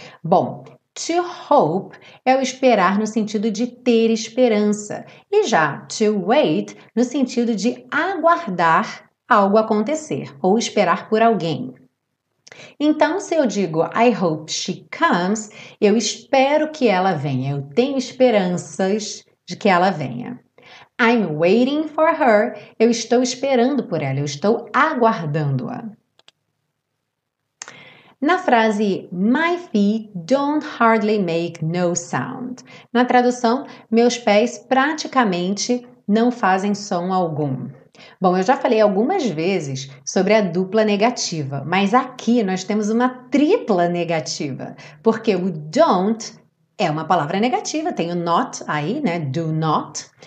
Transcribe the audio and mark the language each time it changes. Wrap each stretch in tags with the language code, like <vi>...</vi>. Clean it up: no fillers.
<pt>Bom, to hope é o esperar no sentido de ter esperança, e já to wait no sentido de aguardar algo acontecer ou esperar por alguém. Então, se eu digo</pt> <en>I hope she comes,</en> <pt>eu espero que ela venha, eu tenho esperanças de que ela venha.</pt> <en>I'm waiting for her,</en> <pt>eu estou esperando por ela, eu estou aguardando-a. Na frase,</pt> <en>my feet don't hardly make no sound.</en> <pt>Na tradução, meus pés praticamente não fazem som algum. Bom, eu já falei algumas vezes sobre a dupla negativa, mas aqui nós temos uma tripla negativa, porque o don't é uma palavra negativa, tem o not aí, né, do not.</pt>